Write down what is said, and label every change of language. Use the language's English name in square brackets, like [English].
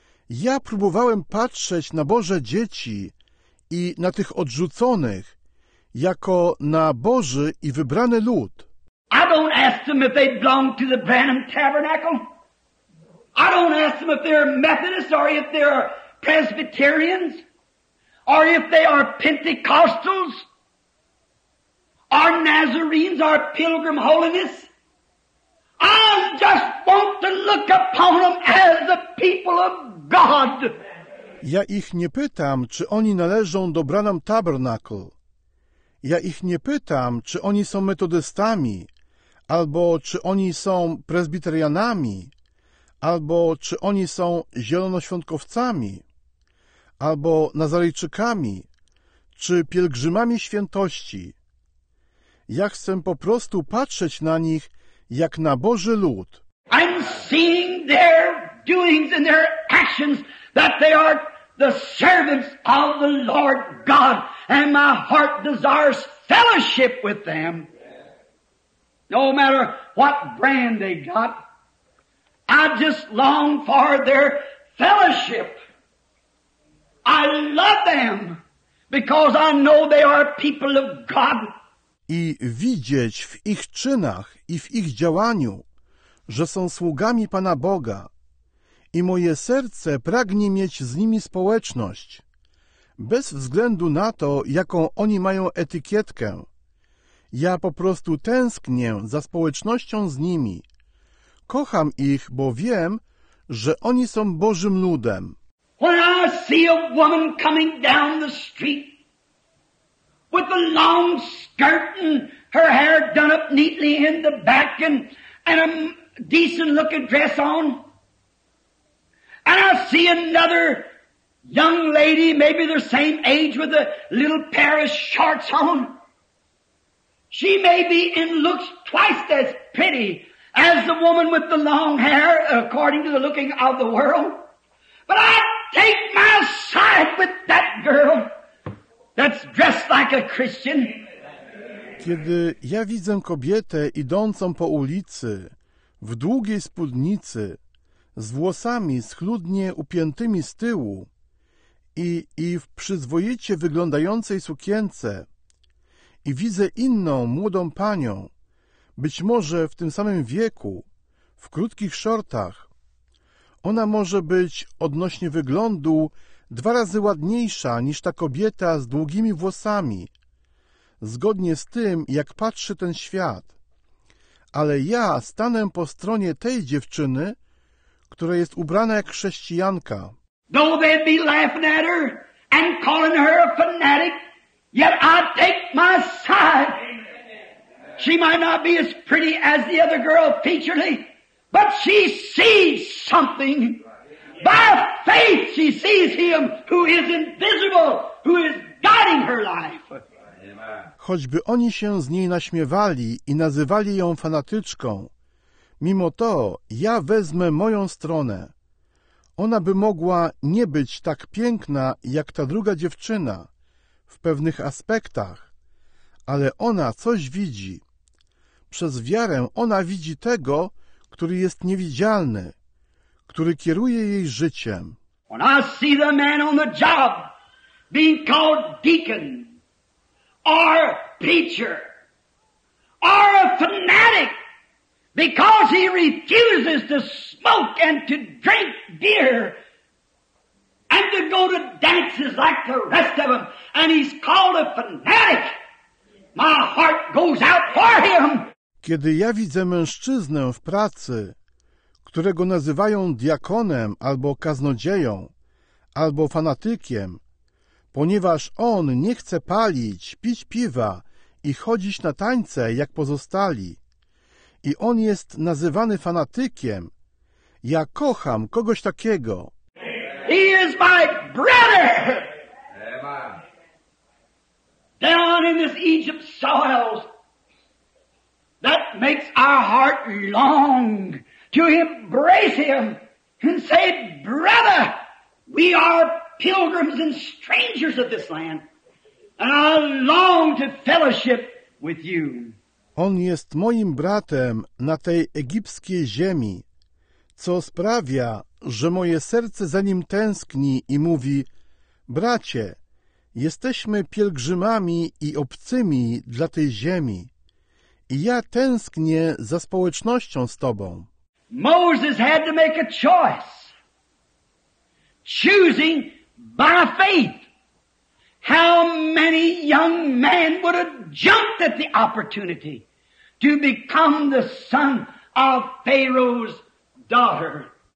[Polish] Ja próbowałem patrzeć na Boże dzieci i na tych odrzuconych jako na Boży i wybrany lud. [English] I don't ask them if they belong to the Branham Tabernacle. I don't ask them if they're Methodists or if they're Presbyterians or if they are Pentecostals or Nazarenes or Pilgrim Holiness. I just want to look upon them as the people of God. [Polish] Ja ich nie pytam, czy oni należą do Branham Tabernacle. Ja ich nie pytam, czy oni są metodystami, albo czy oni są prezbiterianami, albo czy oni są zielonoświątkowcami, albo nazarejczykami, czy pielgrzymami świętości. Ja chcę po prostu patrzeć na nich jak na Boży lud. [English] I'm seeing their doings and their actions that they are the servants of the Lord God, and my heart desires fellowship with them. No matter what brand they got, I just long for their fellowship. I love them because I know they are people of God. [Polish] I widzieć w ich czynach i w ich działaniu, że są sługami Pana Boga. I moje serce pragnie mieć z nimi społeczność, bez względu na to, jaką oni mają etykietkę. Ja po prostu tęsknię za społecznością z nimi. Kocham ich, bo wiem, że oni są Bożym ludem. [English] When I see a woman coming down the street with a long skirt and her hair done up neatly in the back and a decent looking dress on, and I see another young lady, maybe the same age, with a little pair of shorts on. She may be and looks twice as pretty as the woman with the long hair, according to the looking of the world. But I take my side with that girl that's dressed like a Christian. [Polish] Kiedy ja widzę kobietę idącą po ulicy w długiej spódnicy, z włosami schludnie upiętymi z tyłu i w przyzwoicie wyglądającej sukience i widzę inną młodą panią, być może w tym samym wieku, w krótkich szortach. Ona może być odnośnie wyglądu dwa razy ładniejsza niż ta kobieta z długimi włosami, zgodnie z tym, jak patrzy ten świat. Ale ja stanę po stronie tej dziewczyny, która jest ubrana jak chrześcijanka. [English] Though they be laughing at her and calling her a fanatic, yet I take my side. She might not be as pretty as the other girl featurely, but she sees something. By faith she sees him who is invisible, who is guiding her life. [Polish] Choćby oni się z niej naśmiewali i nazywali ją fanatyczką, mimo to ja wezmę moją stronę. Ona by mogła nie być tak piękna jak ta druga dziewczyna w pewnych aspektach, ale ona coś widzi. Przez wiarę ona widzi tego, który jest niewidzialny, który kieruje jej życiem. [English] When I see the man on the job being called deacon or preacher or a fanatic, because he refuses to smoke and to drink beer and to go to dances like the rest of them, and he's called a fanatic, my heart goes out for him. [Polish] Kiedy ja widzę mężczyznę w pracy, którego nazywają diakonem albo kaznodzieją, albo fanatykiem, ponieważ on nie chce palić, pić piwa i chodzić na tańce jak pozostali, i on jest nazywany fanatykiem, ja kocham kogoś takiego. [English] He is my brother. Down in this Egypt soils, that makes our heart long to embrace him and say, brother, we are pilgrims and strangers of this land, and I long to fellowship with you. [Polish] On jest moim bratem na tej egipskiej ziemi, co sprawia, że moje serce za nim tęskni i mówi: bracie, jesteśmy pielgrzymami i obcymi dla tej ziemi i ja tęsknię za społecznością z tobą. [English] Moses had to make a choice, choosing by faith. How many young men would have jumped at the opportunity to become the son of Pharaoh's daughter?